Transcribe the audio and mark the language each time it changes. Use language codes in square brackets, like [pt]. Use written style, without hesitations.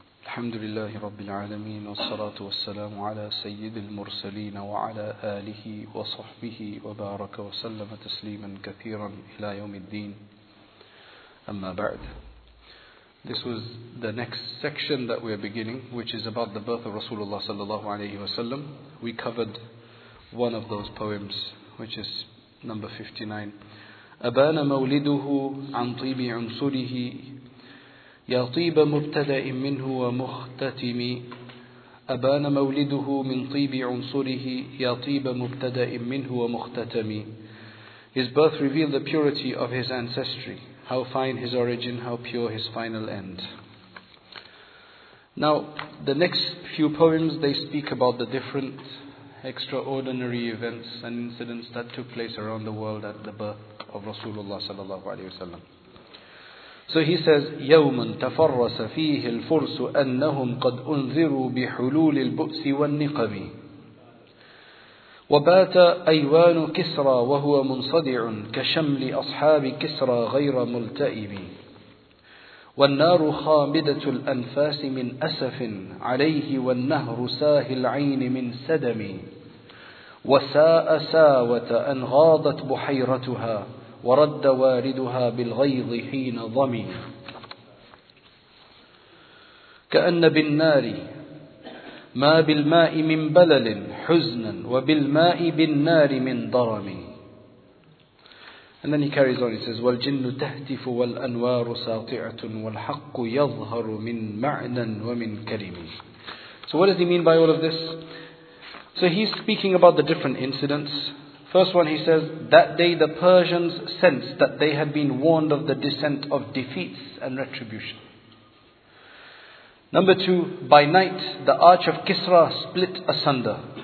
[ar] الحمد لله رب العالمين، والصلاة والسلام على سيد المرسلين وعلى آله وصحبه وبارك وسلم تسليما كثيرا إلى يوم الدين. أما بعد، [en] this was the next section that we are beginning, which is about the birth of Rasulullah sallallahu alayhi wa sallam. We covered one of those poems, which is number 59. [ar] أبان مولده عن طيب عنصره يا طيب مبتدأ منه ومختتم أبان مولده من طيب عنصره يا طيب مبتدأ منه ومختتم. [en] His birth revealed the purity of his ancestry. How fine his origin, how pure his final end. Now, the next few poems, they speak about the different extraordinary events and incidents that took place around the world at the birth of Rasulullah sallallahu alaihi wasallam. So he says, [ar] يَوْمٌ تَفَرَّسَ فِيهِ الْفُرْسُ أَنَّهُمْ قَدْ أُنذِرُوا بِحُلُولِ الْبُؤْسِ وَالنِّقَمِ وبات أيوان كسرى وهو منصدع كشمل أصحاب كسرى غير ملتئم والنار خامدة الأنفاس من أسف عليه والنهر ساه العين من سدم وساء ساوة أن غاضت بحيرتها ورد واردها بالغيظ حين ضمي كأن بالنار ما بالماء من بلل حزنا وبالماء بالنار من ضرم. [en] And then he carries on, he says, [ar] والجن تهتف والأنوار ساطعة والحق يظهر من معنى ومن كلم. [en] So what does he mean by all of this? So he's speaking about the different incidents. First one, he says, that day the Persians sensed that they had been warned of the descent of defeats and retribution. Number two, by night, the arch of Kisra split asunder.